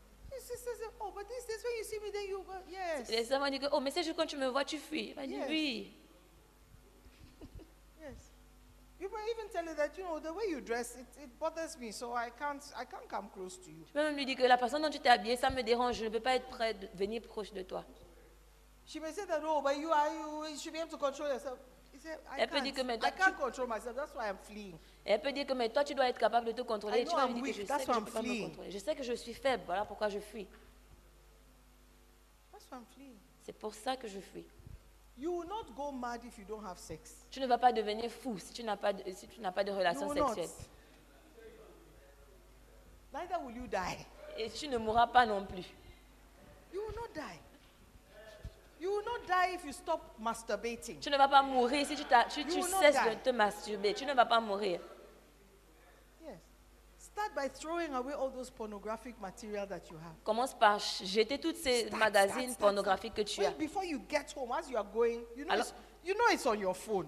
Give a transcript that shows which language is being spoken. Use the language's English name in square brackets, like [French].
[English] Your sister says, oh, but this is when you see me, then you go, yes. [French] Les sœurs vont dire, oh, mais c'est juste quand tu me vois, tu fuis. Elle dit, [English] yes. [French] Oui. [English] You may even tell her that, you know, the way you dress, it bothers me, so I can't come close to you. [French] Tu peux même lui dire que la façon dont tu t'es habillée, ça me dérange, je ne peux pas être prêt de venir proche de toi. [English] She may say that, oh, but you should be able to control yourself. [French] Elle peut dire que, mais toi, tu dois être capable de te contrôler. [English] I know I'm weak, that's why I'm fleeing. [French] Je sais que je suis faible, voilà pourquoi je fuis. [English] That's why I'm fleeing. [French] C'est pour ça que je fuis. [English] You will not go mad if you don't have sex. [French] Tu ne vas pas devenir fou si tu n'as pas de, si tu n'as pas de relation sexuelle. [English] Neither will you die. [French] Et tu ne mourras pas non plus. [English] You will not die. You will not die if you stop masturbating. [French] Tu ne vas pas mourir si tu cesses de te masturber. Tu ne vas pas mourir. [English] Yes. Start by throwing away all those pornographic material that you have. [French] Commence par jeter toutes ces magazines pornographiques que tu as. [English] Before you get home, as you are going, you know it's on your phone.